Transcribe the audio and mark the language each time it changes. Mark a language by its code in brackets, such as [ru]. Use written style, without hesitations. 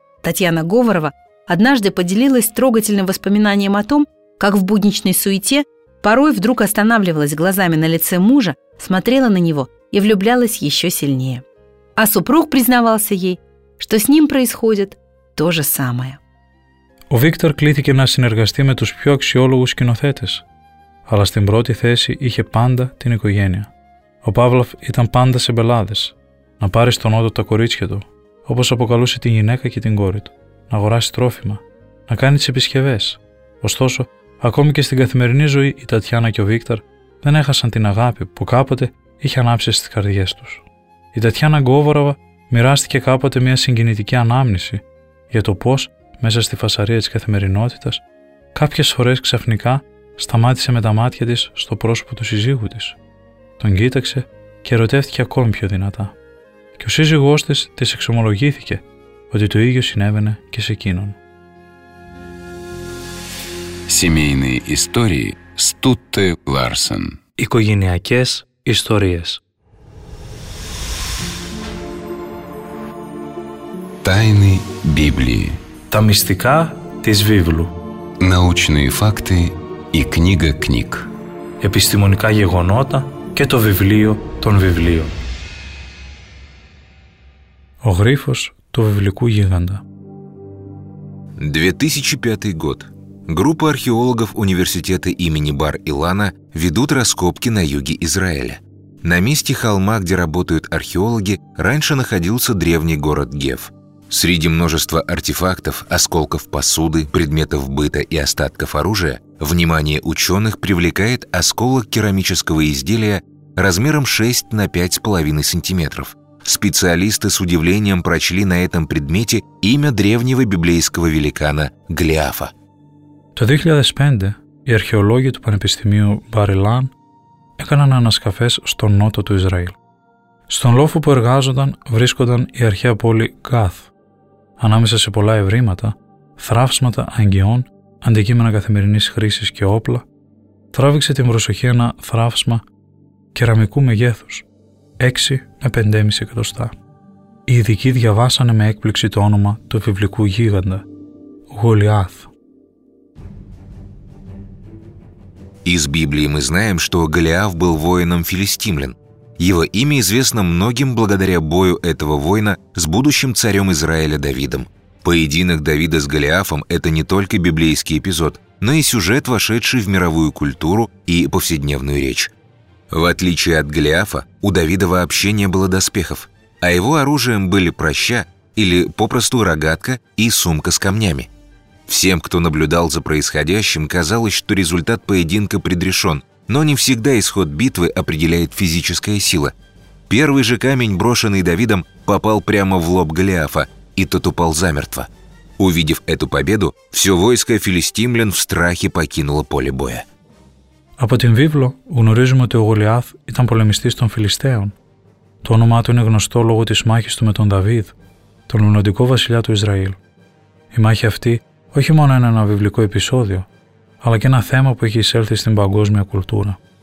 [ru] Татьяна Говорова однажды поделилась трогательным воспоминанием о том, как в будничной суете порой вдруг останавливалась глазами на лице мужа, смотрела на него и влюблялась еще сильнее. А супруг признавался ей, что с ним происходит то же самое. [el] Ο Виктор клήθηκε να συνεργαστεί με τους πιο αξιόλογους σκηνοθέτες, αλλά στην πρώτη θέση είχε πάντα την οικογένεια. Ο Παύλοφ ήταν πάντα σε μπελάδες. Να πάρει στον όντο τα κορίτσια του, όπως αποκαλούσε την γυναίκα και την κόρη του, να αγοράσει τρόφιμα, να κάνει τις επισκευές. Ωστόσο, ακόμη και στην καθημερινή ζωή, η Τατιάνα και ο Βίκτορ δεν έχασαν την αγάπη που κάποτε είχε ανάψει στις καρδιές τους. Η Τατιάνα Γκόβοροβα μοιράστηκε κάποτε μια συγκινητική ανάμνηση για το πώς, μέσα στη φασαρία της καθημερινότητας, κάποιες φορές ξαφνικά σταμάτησε με τα μάτια της στο πρόσωπο του συζύγου της. Τον κοίταξε και ερωτεύτηκε ακόμη πιο δυνατά. Και ο σύζυγός της εξομολογήθηκε ότι το ίδιο συνέβαινε και σε εκείνον. [ru] Семейные истории Стутте Ларсен. [el] Οικογενειακές ιστορίες. [ru] Тайны Библии. [el] Τα μυστικά της Βίβλου. [ru] Научные факты и книга книг. [el] Επιστημονικά γεγονότα και το βιβλίο των βιβλίων. Ο γρίφος του βιβλικού γίγαντα. [ru] 2005 год. Группа археологов университета имени Бар-Илана ведут раскопки на юге Израиля. На месте холма, где работают археологи, раньше находился древний город Геф. Среди множества артефактов, осколков посуды, предметов быта и остатков оружия, внимание ученых привлекает осколок керамического изделия размером 6 на 5,5 сантиметров. Специалисты с удивлением прочли на этом предмете имя древнего библейского великана Голиафа. [el] Το 2005 οι αρχαιολόγοι του Πανεπιστημίου Μπαρ-Ιλάν έκαναν ανασκαφές στο νότο του Ισραήλ. Στον λόφο που εργάζονταν βρίσκονταν η αρχαία πόλη Γκάθ. Ανάμεσα σε πολλά ευρήματα, θράψματα αγκιών, αντικείμενα καθημερινής χρήσης και όπλα, τράβηξε την προσοχή ένα θράψμα κεραμικού μεγέθους, 6 με 5,5 εκατοστά. Οι ειδικοί διαβάσανε με έκπληξη το όνομα του βιβλικού γίγαντα, Γολιάθ. [ru] Из Библии мы знаем, что Голиаф был воином филистимлян. Его имя известно многим благодаря бою этого воина с будущим царем Израиля Давидом. Поединок Давида с Голиафом – это не только библейский эпизод, но и сюжет, вошедший в мировую культуру и повседневную речь. В отличие от Голиафа, у Давида вообще не было доспехов, а его оружием были проща или попросту рогатка и сумка с камнями. Всем, кто наблюдал за происходящим, казалось, что результат поединка предрешен, но не всегда исход битвы определяет физическая сила. Первый же камень, брошенный Давидом, попал прямо в лоб Голиафа, и тот упал замертво. Увидев эту победу, все войско филистимлян в страхе покинуло поле боя. [el] Από την Βίβλο γνωρίζουμε ότι ο Γολιάθ ήταν πολεμιστής των Φιλιστέων. Το όνομά του είναι γνωστό λόγω της μάχης του με τον Δαβίδ, τον λουνοντικό βασιλιά του Ισραήλ. Η μάχη αυτή όχι μόνο είναι ένα βιβλικό επεισόδιο, αλλά και ένα θέμα που έχει εισέλθει στην παγκόσμια κουλτούρα.